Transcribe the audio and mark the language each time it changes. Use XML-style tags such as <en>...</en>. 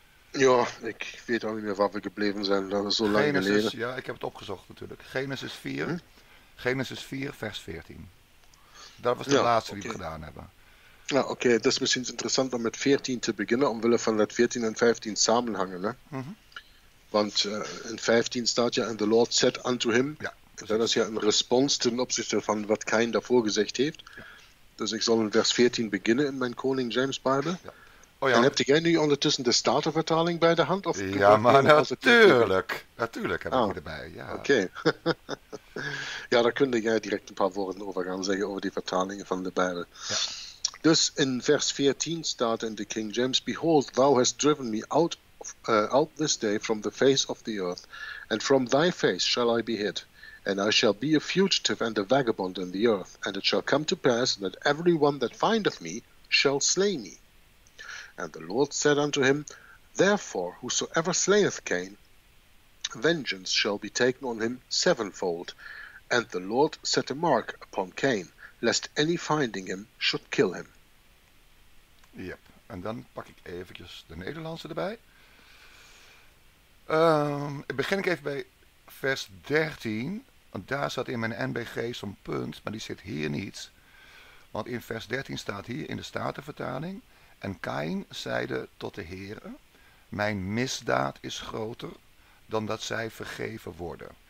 <nl>Ja, ik weet ook niet meer waar we gebleven zijn. Dat is zo Genesis, lang geleden. Ja, ik heb het opgezocht natuurlijk. Genesis 4. Hm? Genesis 4, vers 14. Dat was de laatste die we gedaan hebben. Ja, oké. Het is misschien interessant om met 14 te beginnen. Omwille van dat 14 en 15 samenhangen. Hè? Mm-hmm. Want in 15 staat ja,</nl> <en>and the Lord said unto him.</en> <nl>Ja, dat is ja een respons ten opzichte van wat Cain daarvoor gezegd heeft. Ja. Dus ik zal in vers 14 beginnen in mijn Koning James Bijbel. Ja. Oh ja. En heb jij nu ondertussen de Statenvertaling bij de hand? Of ja, maar natuurlijk. Natuurlijk heb ik die erbij, ja. Oké. Ja, daar kun jij direct een paar woorden over gaan zeggen, over die vertalingen van de Bijbel. Ja.</nl> <en>Dus in vers 14 staat in de King James, Behold, thou hast driven me out this day from the face of the earth, and from thy face shall I be hid, and I shall be a fugitive and a vagabond in the earth, and it shall come to pass that every one that findeth me shall slay me. And the Lord said unto him, Therefore, whosoever slayeth Cain, vengeance shall be taken on him sevenfold. And the Lord set a mark upon Cain, lest any finding him should kill him.</en> <nl>Yep, en dan pak ik eventjes de Nederlandse erbij. Begin ik even bij vers 13, want daar zat in mijn NBG zo'n punt, maar die zit hier niet. Want in vers 13 staat hier in de Statenvertaling, En Cain zeide tot de Heere, mijn misdaad is groter dan dat zij vergeven worden.</nl>